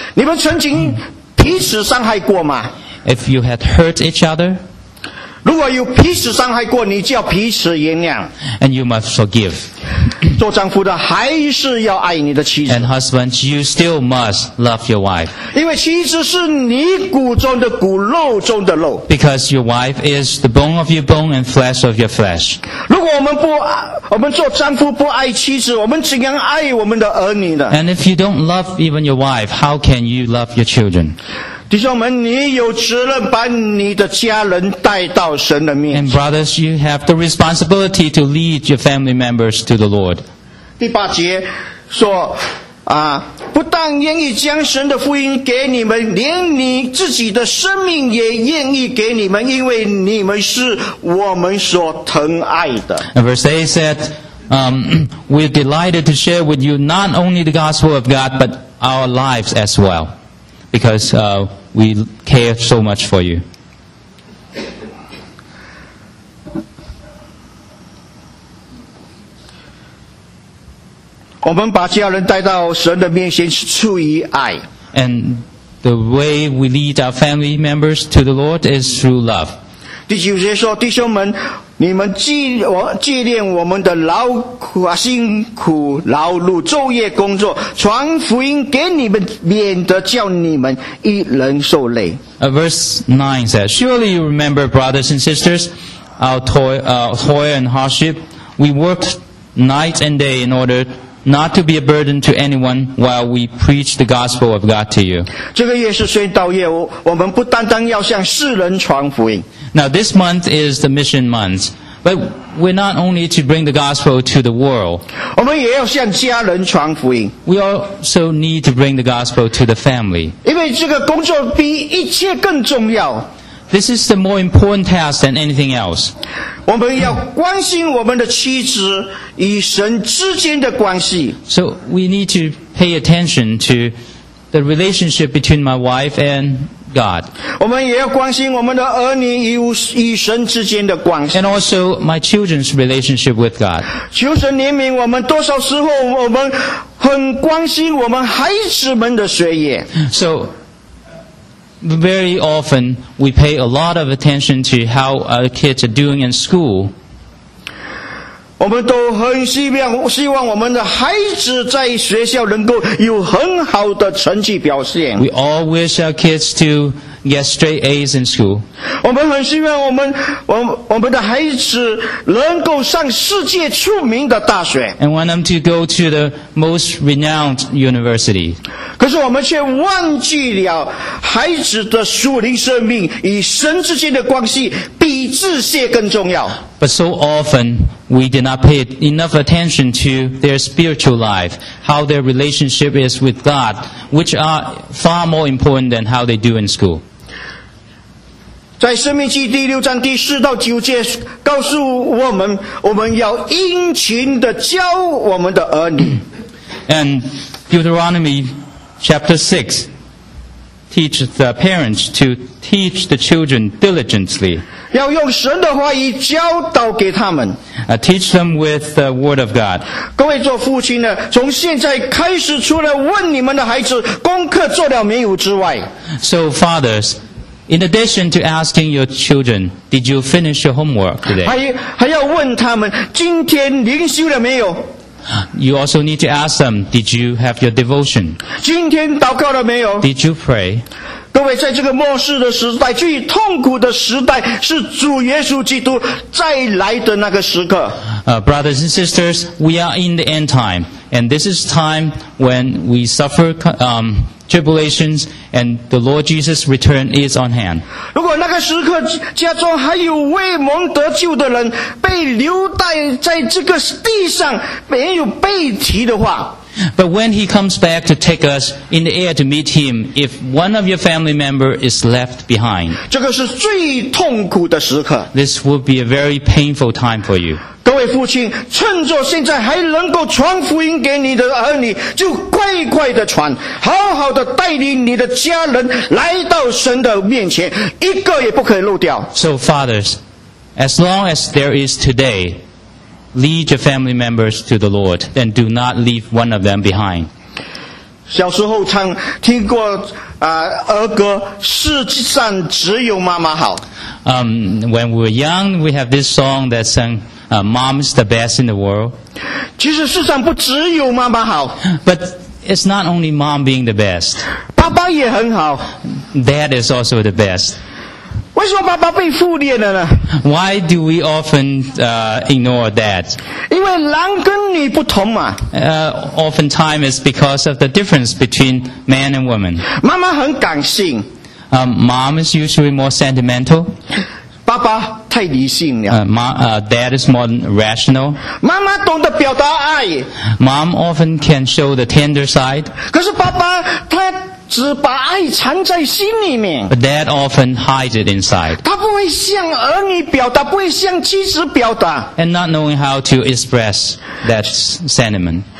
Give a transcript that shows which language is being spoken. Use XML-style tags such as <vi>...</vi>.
<zh>你们曾经彼此伤害过吗？</zh> <en>If you had hurt each other,</en> <zh>如果有彼此伤害过，你就要彼此原谅。</zh> <en>And you must forgive.</en> <zh>做丈夫的还是要爱你的妻子。</zh> <en>And husbands, you still must love your wife.</en> <zh>因为妻子是你骨中的骨，肉中的肉。</zh> <en>Because your wife is the bone of your bone and flesh of your flesh.</en> <zh>如果我们做丈夫不爱妻子，我们怎样爱我们的儿女呢？</zh> <en>And if you don't love even your wife, how can you love your children?</en> <zh>弟兄们，你有责任把你的家人带到神的面前。</zh> <en>And brothers, you have the responsibility to lead your family members to the Lord.</en> <zh>第八节说，不但愿意将神的福音给你们，连你自己的生命也愿意给你们，因为你们是我们所疼爱的。</zh> <en>And verse 8 said, we're delighted to share with you not only the gospel of God, but our lives as well. Because we care so much for you.</en> <zh>我们把家人带到神的面前是出于爱。</zh> <en>And the way we lead our family members to the Lord is through love.</en> <zh>第九节说，弟兄们，你们纪念我们的劳苦啊，辛苦劳碌，昼夜工作，传福音给你们，免得叫你们一人受累。</zh> <en>Verse 9 says, Surely you remember, brothers and sisters, our toil and hardship. We worked night and day in order not to be a burden to anyone while we preach the gospel of God to you.</en> <zh>这个月是宣道月，我们不单单要向世人传福音。</zh> <en>Now this month is the mission month, but we're not only to bring the gospel to the world.</en> <zh>我们也要向家人传福音。</zh> <en>We also need to bring the gospel to the family.</en> <zh>因为这个工作比一切更重要。</zh> <en>This is the more important task than anything else.</en> <zh>我们要关心我们的妻子与神之间的关系。</zh> <en>So we need to pay attention to the relationship between my wife and God.</en> <zh>我们也要关心我们的儿女与神之间的关系。</zh> <en>And also my children's relationship with God.</en> <zh>求神怜悯我们，多少时候我们很关心我们孩子们的学业。</zh> <en>So,Very often, we pay a lot of attention to how our kids are doing in school.</en> <zh>我们都很希望我们的孩子在学校能够有很好的成绩表现。</zh> <en>We all wish our kids to get straight A's in school.</en> <zh>我们很希望我们的孩子能够上世界出名的大学。</zh> <en>And want them to go to the most renowned university.</en> <zh>可是我们却忘记了孩子的属灵生命与神之间的关系比这些更重要。</zh> <en>But so often, we did not pay enough attention to their spiritual life, how their relationship is with God, which are far more important than how they do in school.</en> <zh>在《生命记》第六章第四到九节告诉我们，我们要殷勤地教我们的儿女。</zh> <en>And Deuteronomy,Chapter 6, teach the parents to teach the children diligently.</en> <zh>要用神的话语教导给他们。</zh> <en>Teach them with the word of God.</en> <zh>各位做父亲的，从现在开始，除了问你们的孩子功课做了没有之外。</zh> <en>So fathers, in addition to asking your children, did you finish your homework today?</en> <zh>还要问他们今天灵修了没有。</zh> <en>You also need to ask them, did you have your devotion?</en> <zh>今天祷告了没有?</zh> <en>Did you pray?</en> <zh>各位，在这个末世的时代，最痛苦的时代是主耶稣基督再来的那个时刻。</zh> <en>Brothers and sisters, we are in the end time. And this is time when we suffer tribulations and the Lord Jesus' return is on hand.</en> <zh>如果那个时刻家中还有未蒙得救的人被留待在这个地上没有被提的话。</zh> <en>But when he comes back to take us in the air to meet him, if one of your family members is left behind,</en> <zh>这个是最痛苦的时刻。</zh> <en>This will be a very painful time for you.</en> <zh>各位父亲，趁着现在还能够传福音给你的儿女，就快快的传，好好的带领你的家人来到神的面前，一个也不可以漏掉。</zh> <en>So fathers, as long as there is today, lead your family members to the Lord, then do not leave one of them behind.</en> <zh>小时候唱听过儿歌，世界上只有妈妈好。</zh> <en>When we were young, we have this song that sang, "Mom's the best in the world."</en> <zh>其实世上不只有妈妈好。</zh> <en>But it's not only mom being the best.</en> <zh>爸爸也很好。</zh> <en>Dad is also the best.</en> <zh>为什么爸爸被忽略了呢？</zh> <en>Why do we often ignore dad?</en> <zh>因为男跟女不同嘛。</zh> <en>Oftentimes it's because of the difference between man and woman.</en> <zh>妈妈很感性。</zh> <en>Mom is usually more sentimental.</en> <zh>爸爸太理性了。</zh> <en>Dad is more rational.</en> <zh>妈妈懂得表达爱。</zh> <en>Mom often can show the tender side.</en> <zh>可是爸爸他只把爱藏在心里面。</zh> <en>But Dad often hides it inside.</en> <zh>他不会向儿女表达，不会向妻子表达。</zh> <en>And not knowing how to express that sentiment.</en>